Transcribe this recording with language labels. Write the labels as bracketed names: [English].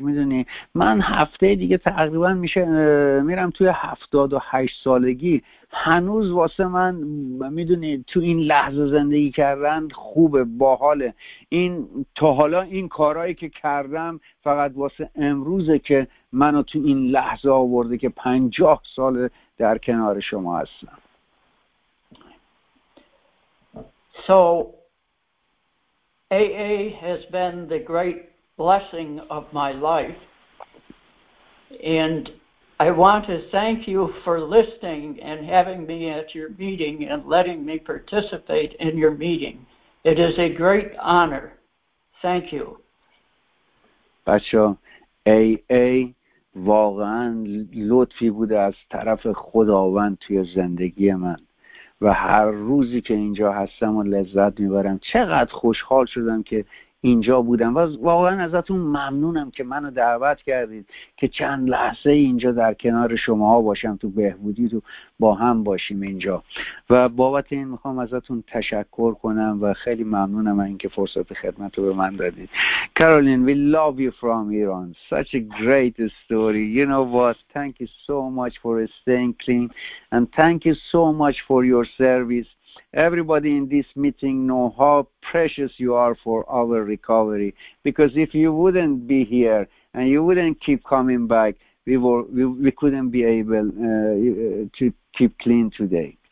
[Persian] میدونی من هفته دیگه تقریبا میشه میرم توی 78 سالگی، هنوز واسه من میدونی تو این لحظه زندگی کردن خوبه، باحاله. این تا حالا این کارهایی که کردم فقط واسه امروزه که منو تو این لحظه آورده که 50 سال در کنار شما هستم. [English] So AA has been the great blessing of my life, and I want to thank you for listening and having me at your meeting and letting me participate in your meeting. It is a great honor. Thank you. [Persian] بچه AA واقعا لطفی بوده از طرف خداوند توی زندگی من و هر روزی که اینجا هستم و لذت میبرم. چقدر خوشحال شدم که اینجا بودم و واقعا ازتون ممنونم که منو دعوت کردید که چند لحظه اینجا در کنار شما باشم، تو بهبودی تو با هم باشیم اینجا. و بابت این میخوام ازتون تشکر کنم و خیلی ممنونم این که فرصت خدمت رو به من دادید. [English] Caroline, we love you from Iran. Such a great story. You know what? Thank you so much for staying clean and thank you so much for your service. Everybody in this meeting know how precious you are for our recovery, because if you wouldn't be here and you wouldn't keep coming back, we couldn't be able to keep clean today.